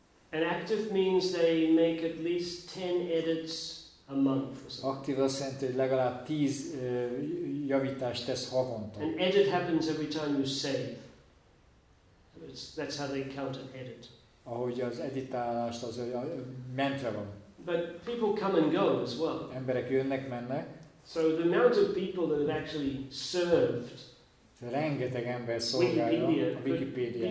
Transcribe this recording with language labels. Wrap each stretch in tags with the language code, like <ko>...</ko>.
<en>And active means they make at least 10 edits a a month or something.</en> <hu>Aktív azt jelenti, hogy legalább 10 javítást tesz havonta.</hu> <en>An edit happens every time you save. That's how they count an edit.</en> <hu>Ahogy az editálást, az a mentre van.</hu> <en>But people come and go as well.</en> <hu>Emberek jönnek, mennek.</hu> <en>So the amount of people that have actually served.</en> <hu>Rengeteg ember szolgálja a Wikipedia.</hu>